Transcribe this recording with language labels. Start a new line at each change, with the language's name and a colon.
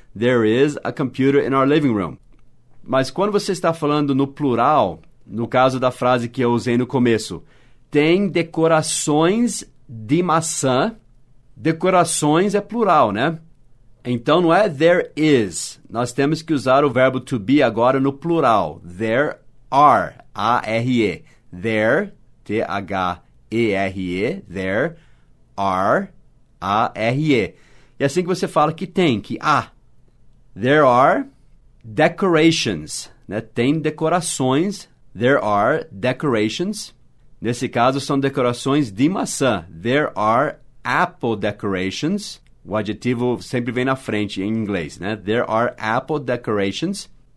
English: There is a computer in our living room.
Portuguese: Mas quando você está falando no plural, no caso da frase que eu usei no começo, tem decorações de maçã. Decorações é plural, né? Então, não é
English: there is.
Portuguese: Nós temos que usar o verbo to be agora no plural.
English: There are, A-R-E. There, T-H-E-R-E, there are, A-R-E.
Portuguese: E é assim que você fala que tem, que há.
English: There are decorations,
Portuguese: né? Tem decorações.
English: There are decorations.
Portuguese: Nesse caso, são decorações de maçã.
English: There are apple decorations.
Portuguese: O adjetivo sempre vem na frente em inglês, né?
English: There are apple decorations.